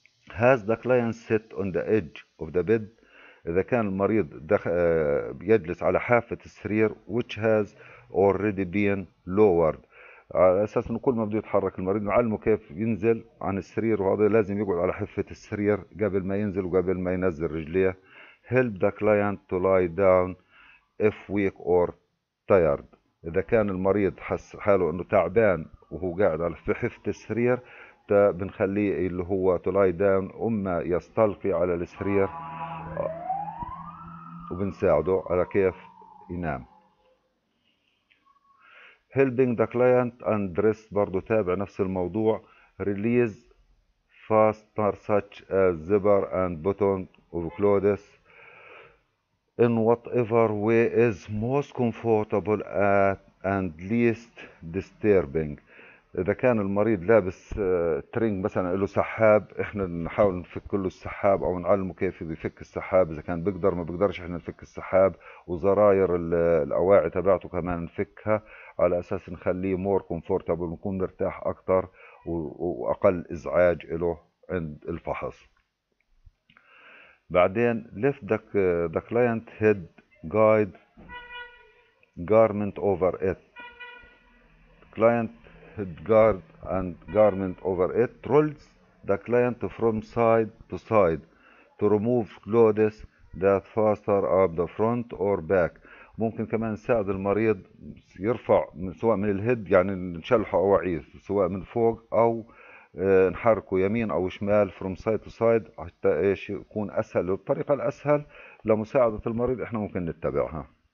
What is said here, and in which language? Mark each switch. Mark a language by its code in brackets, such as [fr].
[en] Has the client sit on the edge of the bed. [ar] اذا كان المريض بيجلس على حافه السرير [en] which has already been lowered، [ar] على اساس انه كل ما بده يتحرك المريض نعلمه كيف ينزل عن السرير، وهذا لازم يقعد على حافه السرير قبل ما ينزل وقبل ما ينزل رجليه. [en] help the client to lie down if weak or tired. [ar] اذا كان المريض حس حاله انه تعبان وهو قاعد على حافه السرير بنخليه اللي هو [en] to lie down، [ar] اما يستلقي على السرير وبنساعده على كيف ينام. [en] helping the client undress [ar] برضو تابع نفس الموضوع. [en] release fasteners such as zipper and button of clothes in whatever way is most comfortable and least disturbing. [ar] إذا كان المريض لابس ترينج مثلا له سحاب، احنا نحاول نفك له السحاب او نعلمه كيف يفك السحاب، إذا كان بيقدر ما بيقدرش احنا نفك السحاب، وزراير الأواعي تبعته كمان نفكها على أساس نخليه [en] more comfortable [ar] ونكون مرتاح أكثر وأقل إزعاج له عند الفحص. بعدين [en] lift the client head guide garment over it. Client head guard and garment over it rolls the client from side to side to remove clothes that faster up the front or back. [ar] ممكن كمان نساعد المريض يرفع سواء من الهيد يعني نشلحه اواعيه سواء من فوق او نحركه يمين او شمال [en] from side to side [ar] حتى ايش يكون اسهل، والطريقه الاسهل لمساعده المريض احنا ممكن نتبعها.